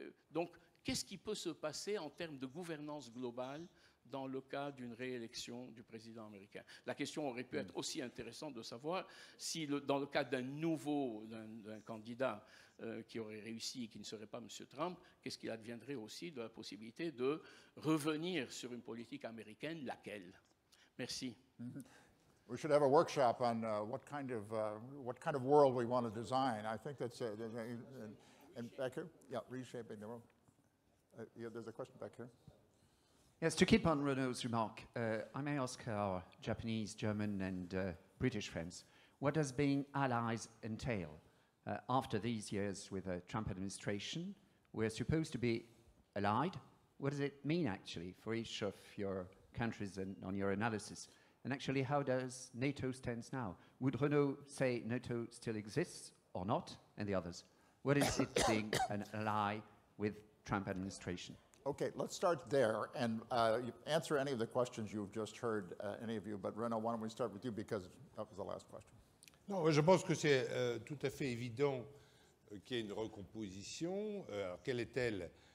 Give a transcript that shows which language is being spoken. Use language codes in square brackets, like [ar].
[fr] Donc, qu'est-ce qui peut se passer en termes de gouvernance globale dans le cas d'une réélection du président américain? La question aurait pu être aussi intéressante de savoir si, dans le cas d'un candidat qui aurait réussi et qui ne serait pas M. Trump, qu'est-ce qu'il adviendrait aussi de la possibilité de revenir sur une politique américaine, laquelle? Merci. Mm-hmm. [en] We should have a workshop on what kind of world we want to design. I think that's and back here, yeah, reshaping the world. There's a question back here. Yes, to keep on Renaud's remark, I may ask our Japanese, German and British friends, what does being allies entail? After these years with the Trump administration, we're supposed to be allied. What does it mean, actually, for each of your countries and on your analysis? And actually, how does NATO stand now? Would Renaud say NATO still exists or not? And the others, what is it being an ally with Trump administration? Okay, let's start there and answer any of the questions you've just heard, any of you. But Renaud, why don't we start with you because that was the last question. [fr] Non, je pense que c'est tout à fait évident qu'il y a une recomposition. Alors, quelle est-elle?